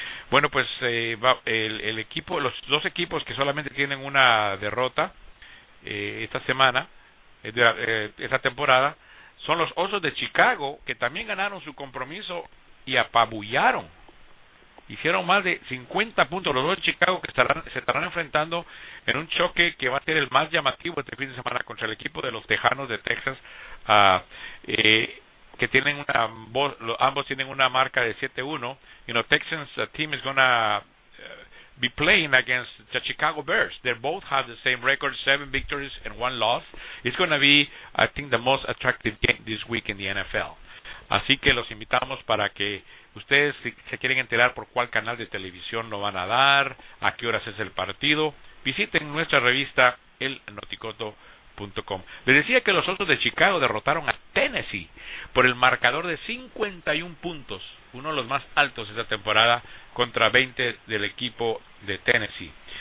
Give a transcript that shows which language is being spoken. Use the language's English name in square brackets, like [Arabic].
[Spanish] Bueno, pues los dos equipos que solamente tienen una derrota esta temporada son los Osos de Chicago, que también ganaron su compromiso y apabullaron. Hicieron más de 50 puntos los dos de Chicago, que se estarán enfrentando en un choque que va a ser el más llamativo este fin de semana contra el equipo de los Tejanos de Texas, que tienen ambos tienen una marca de 7-1. [English] You know, Texans team is gonna be playing against the Chicago Bears. They both have the same record, 7 victories and 1 loss. It's gonna be, I think, the most attractive game this week in the NFL. [Spanish] Así que los invitamos para que ustedes, si se quieren enterar por cuál canal de televisión lo van a dar, a qué horas es el partido, visiten nuestra revista elnoticoto.com. Les decía que los Osos de Chicago derrotaron a Tennessee por el marcador de 51 puntos, uno de los más altos de esta temporada, contra 20 del equipo de Tennessee.